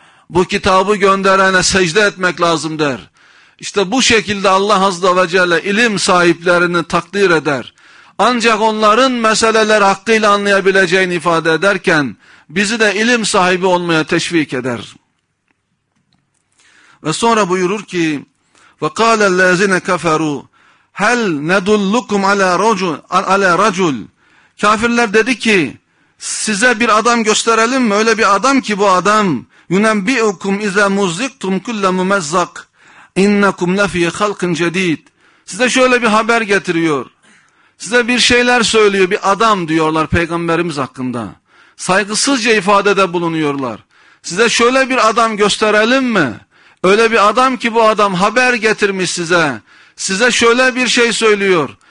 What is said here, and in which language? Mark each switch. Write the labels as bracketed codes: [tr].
[tr] Bu kitabı gönderene secde etmek lazım der. İşte bu şekilde Allah Azze ve Celle ilim sahiplerini takdir eder. Ancak onların meseleleri hakkıyla anlayabileceğini ifade ederken, bizi de ilim sahibi olmaya teşvik eder. Ve sonra buyurur ki: [ar] وَقَالَ الَّذِينَ كَفَرُوا هَلْ نَدُلُّكُمْ عَلَى رَجُلْ. [tr] Kafirler dedi ki, size bir adam gösterelim mi? Öyle bir adam ki bu adam, [ar] يُنَبِّئُكُمْ اِذَا مُزِّقْتُمْ كُلَّ مُمَزَّقْ اِنَّكُمْ لَفِي خَلْقٍ جَدِيدٍ. [tr] Size şöyle bir haber getiriyor. Size bir şeyler söylüyor, bir adam diyorlar Peygamberimiz hakkında. Saygısızca ifadede bulunuyorlar. Size şöyle bir adam gösterelim mi? Öyle bir adam ki bu adam haber getirmiş size. Size şöyle bir şey söylüyor.